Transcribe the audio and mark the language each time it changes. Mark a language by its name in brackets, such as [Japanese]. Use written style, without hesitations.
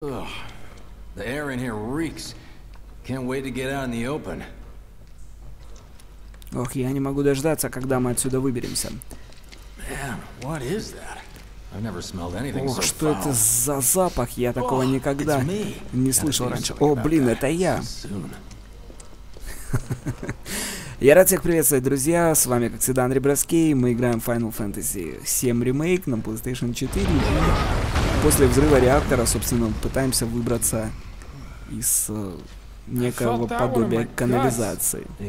[English] Ugh, the air in here reeks. Can't wait to get out in the open. [Russian] Ох, я не могу дождаться, когда мы отсюда выберемся. [English] Man, what is that? I've never smelled anything so foul. [Russian] Ох, что это за запах? Я такого никогда не слышал раньше. О, блин, это я. Я рад всех приветствовать, друзья. С вами, как всегда, Андрей Броскей. Мы играем Final Fantasy 7 Remake на PlayStation 4. После взрыва реактора, собственно, пытаемся выбраться из некоего подобия канализации.